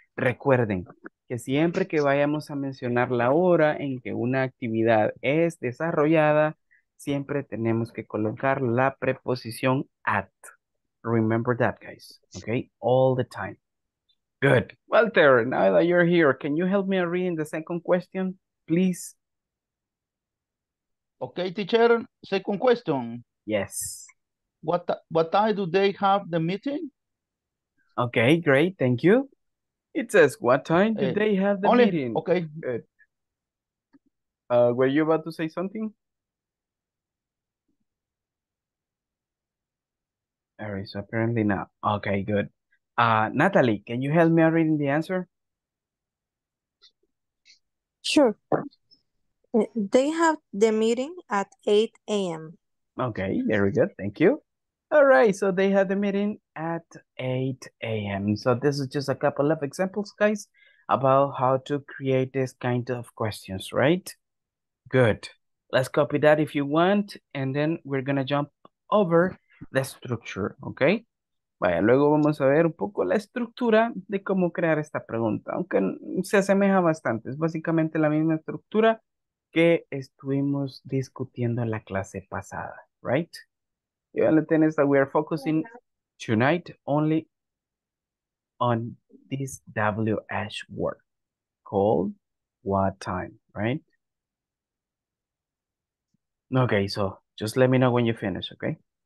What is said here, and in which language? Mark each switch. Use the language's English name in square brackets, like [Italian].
[Spanish] Recuerden que siempre que vayamos a mencionar la hora en que una actividad es desarrollada, siempre tenemos que colocar la preposición at. [English] Remember that, guys. Okay? All the time. Good. Walter, now that you're here, can you help me read the second question, please? Okay, teacher. Second question. Yes. What time do they have the meeting? Okay, great. Thank you. It says, what time do they have the meeting? Okay. Good. Were you about to say something? All right, so apparently not. Okay, good. Natalie, can you help me out reading the answer? Sure. They have the meeting at 8 a.m. Okay, very good. Thank you. All right, so they have the meeting at 8 a.m. So this is just a couple of examples, guys, about how to create this kind of questions, right? Good. Let's copy that if you want, and then we're going to jump over the structure, okay? [Spanish] Vaya, luego vamos a ver un poco la estructura de cómo crear esta pregunta, aunque se asemeja bastante. Es básicamente la misma estructura que estuvimos discutiendo en la clase pasada, right? Y vale, tenés, [English] we are focusing tonight only on this WH word called what time, right? Okay, so just let me know when you finish, okay?